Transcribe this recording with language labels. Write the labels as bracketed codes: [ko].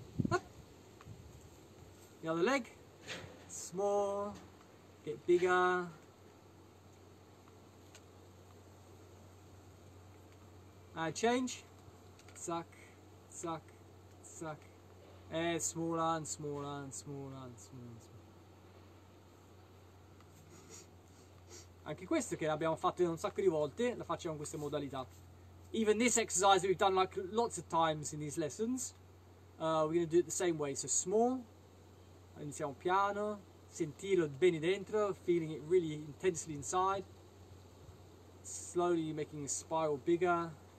[en] The other leg, small, get bigger. Change, zack, zack, zack, e smaller and smaller and smaller and smaller. [it] Anche questo che abbiamo fatto un sacco di volte, lo facciamo in queste modalità. [en] Even this exercise we've done like lots of times in these lessons, we're going to do it the same way. So small, [it] iniziamo piano, sentirlo bene dentro, [en] feeling it really intensely inside, slowly making a spiral bigger.